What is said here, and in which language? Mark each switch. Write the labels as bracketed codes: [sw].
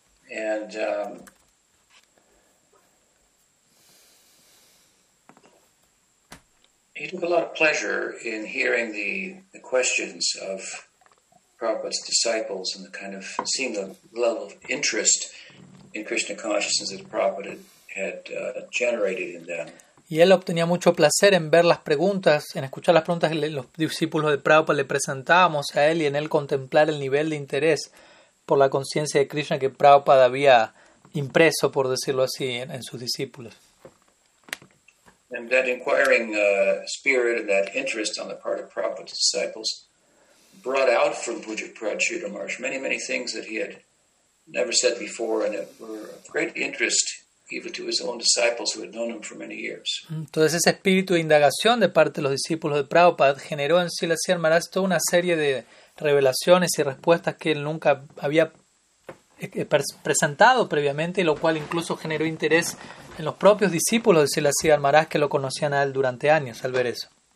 [en] And he took a lot of pleasure in hearing the questions of Prabhupada's disciples and the kind of seeing the level of interest in Krishna consciousness that Prabhupada had generated in them. [es] Y él obtenía mucho placer en ver las preguntas, en escuchar las preguntas que los discípulos de Prabhupada le presentábamos a él y en él contemplar el nivel de interés por la conciencia de Krishna que Prabhupada había impreso, por decirlo así, en sus discípulos. [en] And that inquiring spirit and that interest on the part of Prabhupada's disciples brought out from Pujapati Sri Ramarsh many, many things that he had never said before and that were of great interest even to his own disciples who had known him for many years. [es] Entonces ese espíritu de indagación de parte de los discípulos de Prabhupada generó en Srila Sri Ramarsh toda una serie de revelaciones y respuestas que él nunca había presentado previamente, y lo cual incluso generó interés en los propios discípulos de Srila Sri Ramarsh que lo conocían a él durante años al ver eso.